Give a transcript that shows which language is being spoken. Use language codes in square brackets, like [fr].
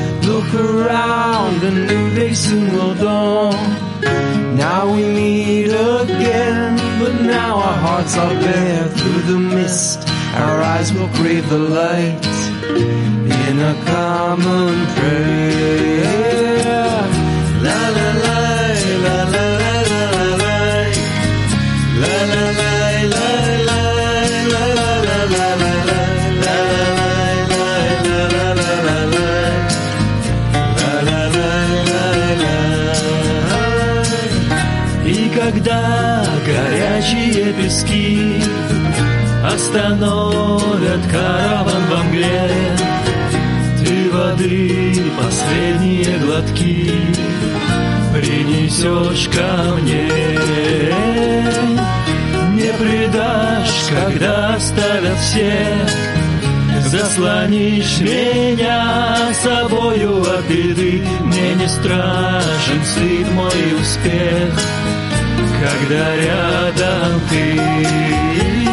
[en] Look around, a new day soon will dawn. Now we meet again, but now our hearts are bare through the mist. Our eyes will crave the light in a common prayer. La la la la la la la la la la la la la la la la la la la la la la la la la la la la la la la la la la. [ru] И когда горячие пески остановят караван во мгле, ты воды последние глотки принесешь ко мне. Не предашь, когда оставят всех, заслонишь меня собою от беды. Мне не страшен стыд мой успех, когда рядом ты.